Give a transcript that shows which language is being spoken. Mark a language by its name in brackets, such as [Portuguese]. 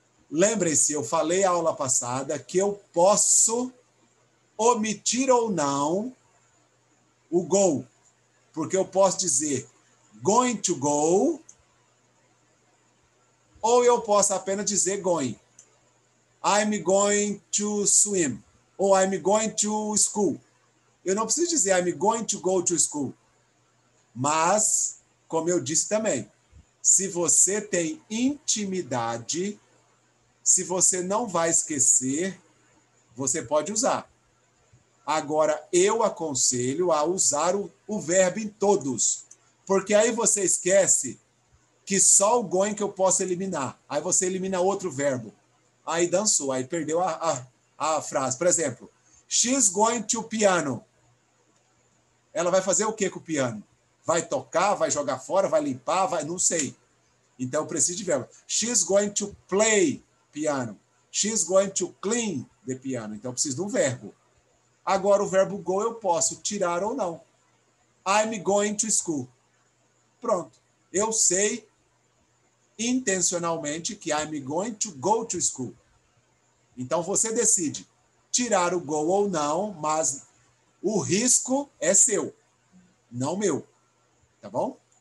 [Portuguese] Lembrem-se, eu falei na aula passada que eu posso omitir ou não o go, porque eu posso dizer [English] going to go, [Portuguese] ou eu posso apenas dizer going. [English] I'm going to swim, [Portuguese] ou [English] I'm going to school. [Portuguese] Eu não preciso dizer [English] I'm going to go to school. [Portuguese] Mas, como eu disse também, se você tem intimidade, se você não vai esquecer, você pode usar. Agora, eu aconselho a usar o verbo em todos. Porque aí você esquece que só o going que eu posso eliminar. Aí você elimina outro verbo. Aí dançou, aí perdeu a frase. Por exemplo, [English] she's going to piano. [Portuguese] Ela vai fazer o que com o piano? Vai tocar, vai jogar fora, vai limpar, vai... Não sei. Então, eu preciso de verbo. [English] She's going to play piano. She's going to clean the piano. [Portuguese] Então, eu preciso de um verbo. Agora, o verbo go eu posso tirar ou não. [English] I'm going to school. [Portuguese] Pronto. Eu sei intencionalmente que [English] I'm going to go to school. [Portuguese] Então, você decide tirar o go ou não, mas o risco é seu, não meu. Tá bom?